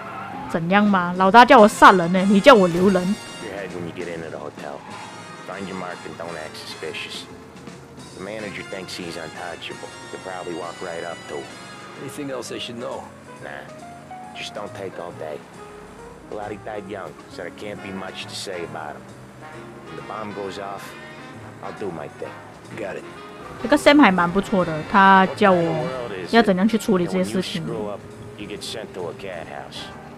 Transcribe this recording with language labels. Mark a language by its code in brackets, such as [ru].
[zh] 这样子我不会被老大怎样吗？老大叫我杀人呢，你叫我留人。 [en] Your head when you get into the hotel. Find your mark and don't act suspicious. The manager thinks he's untouchable. You'll probably walk right up to him. Anything else I should know? Nah. Just don't take all day. Bloody died young, so there can't be much to say about him. When the bomb goes off, I'll do my thing. Got it. [zh] 这个 Sam 还蛮不错的，他教我要怎样去处理这些事情。 [en] When you screw up, you get sent to a cat house.